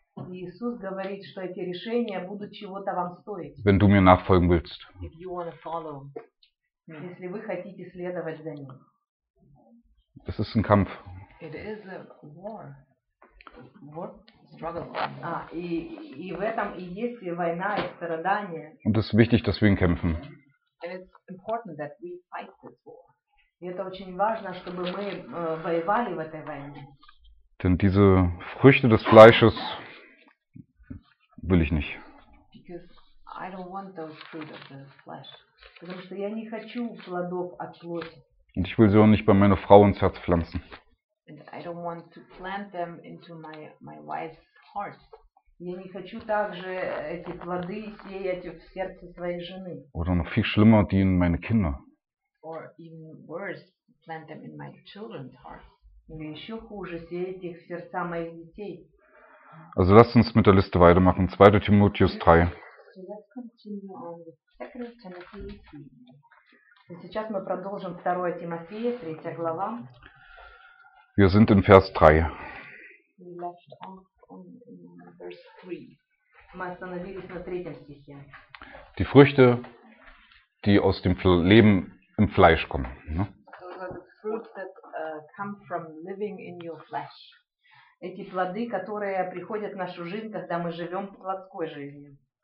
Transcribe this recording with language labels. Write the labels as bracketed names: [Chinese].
[Russian] Иисус говорит, что эти решения будут чего-то вам стоить. [German] Wenn du mir nachfolgen willst. [English] If you want to follow me. [Russian] Если вы хотите следовать за ним. [German] Es ist ein Kampf. [English] It is a war. War? Struggle. [Russian] И в этом и есть и война, и страдания. [German] Und es ist wichtig, dass wir ihn kämpfen. [English] And it's important that we fight this war. [Russian] И это очень важно, чтобы мы воевали в этой войне. [German] Denn diese Früchte des Fleisches will ich nicht. [English] Because I don't want those fruit of the flesh. [Russian] Потому что я не хочу плодов от плоти. [German] Und ich will sie auch nicht bei meiner Frau ins Herz pflanzen. [English] And I don't want to plant them into my wife's heart. [Russian] Я не хочу также эти плоды сеять в сердце своей жены. [German] Oder noch viel schlimmer, die in meine Kinder. [English] Or even worse, plant them in my children's heart. [Russian] Или еще хуже, сеять их в сердца моих детей. [German] Also lasst uns mit der Liste weitermachen. 2. Timotheus 3. [English] So let's continue on with 2 Timothy 3. [Russian] Сейчас мы продолжим 2 Тимофея, 3 глава. [German] Wir sind in Vers 3. [English] We left off on verse 3. [Russian] Мы остановились на 3 стихе. [German] Die Früchte, die aus dem Leben im Fleisch kommen. Ne? [English] Those are the fruits that come from living in your flesh. [Russian] Эти плоды, которые приходят в нашу жизнь, когда мы живем плотской жизнью.